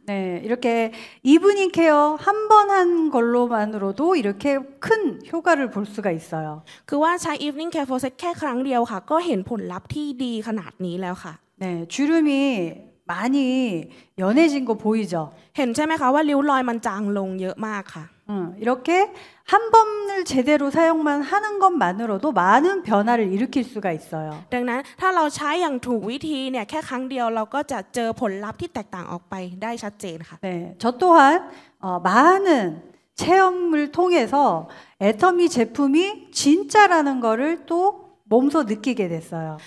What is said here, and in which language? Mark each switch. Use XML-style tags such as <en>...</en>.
<ko>네이렇게이브닝케어한번한걸로만으로도이렇게큰효과를볼수가있어요</ko> <th>คือว่าใช้อีฟนิ่งแคร์โฟเซตแค่ครั้งเดียวค่ะก็เห็นผลลัพธ์ที่ดีขนาดนี้แล้วค่ะ</th> <ko>네주름이많이연해진거보이죠</ko> <th>เห็นใช่ไหมคะว่าริ้วรอยมันจางลงเยอะมากค่ะ</th> <ko>이렇게한번을제대로사용만하는것만으로도많은변화를일으킬수가있어요</ko> <th>ดังนั้นถ้าเราใช้อย่างถูกวิธีเนี่ยแค่ครั้งเดียวเราก็จะเจอผลลัพธ์ที่แตกต่างออกไปได้ชัดเจนค่ะ</th> <ko>네저또한많은체험을통해서애터미제품이진짜라는거를또몸소느끼게됐어요</ko>